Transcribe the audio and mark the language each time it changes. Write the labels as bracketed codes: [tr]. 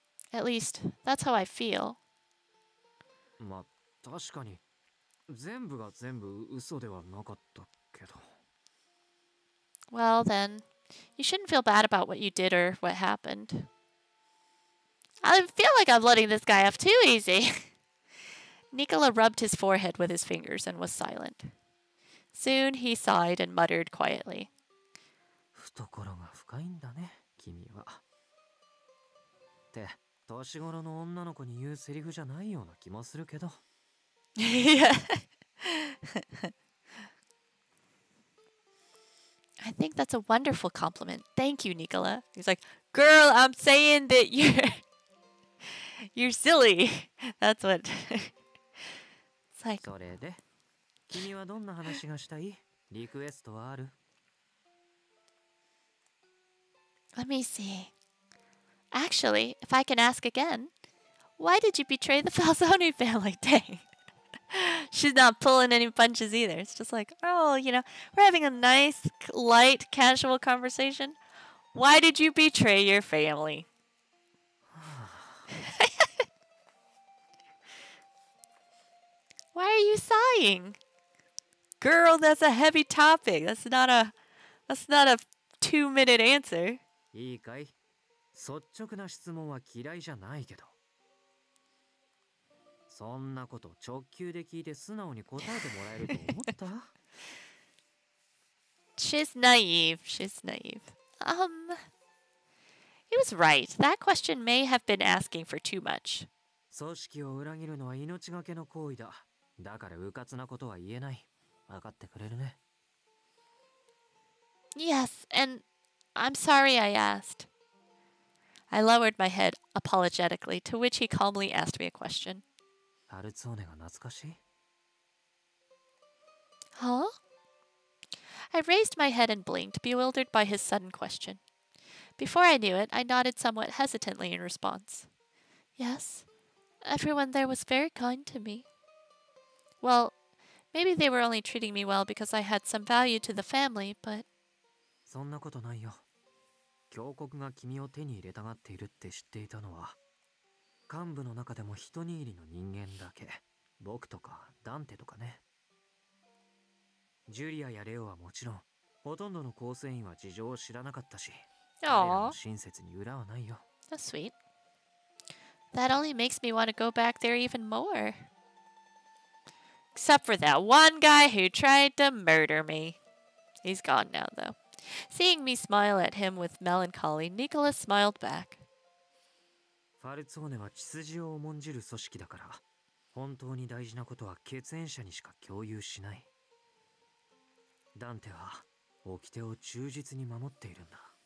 [en] At least, that's how I feel. [ja] まあ、確かに、全部が全部嘘ではなかったけど。 [en] Well then, you shouldn't feel bad about what you did or what happened. I feel like I'm letting this guy off too easy. Nicola rubbed his forehead with his fingers and was silent. Soon he sighed and muttered quietly. [ja] 懐が深いんだね、君は。って、年頃の女の子に言うセリフじゃないような気もするけど。 [en] I think that's a wonderful compliment. Thank you, Nicola. He's like, girl, I'm saying that you're silly. That's what. [ja] それで、君はどんな話がしたい？リクエストはある？ [en] Let me see. Actually, if I can ask again, why did you betray the Falzone family? Dang. She's not pulling any punches either. It's just like, oh, you know, we're having a nice, light, casual conversation. Why did you betray your family? Why are you sighing? Girl, that's a heavy topic. That's not a 2-minute answer. [ja] いいかい？率直な質問は嫌いじゃないけど。そんなこと直球で聞いて素直に答えてもらえると思った？ [en] She's naive. She's naive. He was right. That question may have been asking for too much. [ja] 組織を裏切るのは命がけの行為だ。だから迂闊なことは言えない。分かってくれるね。 [en] Yes, and I'm sorry I asked. I lowered my head apologetically, to which he calmly asked me a question. [ja] ファルツォーネが懐かしい？ [en] Huh? I raised my head and blinked, bewildered by his sudden question. Before I knew it, I nodded somewhat hesitantly in response. Yes, everyone there was very kind to me. Well, maybe they were only treating me well because I had some value to the family, but... [ja] そんなことないよ。強国が君を手に入れたがっているって知っていたのは、幹部の中でも一握りの人間だけ。僕とか、ダンテとかね。ジュリアやレオはもちろん、ほとんどの構成員は事情を知らなかったし、彼らの親切に裏はないよ。 [en] That's sweet. That only makes me want to go back there even more. Except for that one guy who tried to murder me. He's gone now, though. Seeing me smile at him with melancholy, Nicholas smiled back. [ja] ファルツォーネは秩序を重んじる組織だから、本当に大事なことは血縁者にしか共有しない。ダンテは掟を忠実に守っているんだ。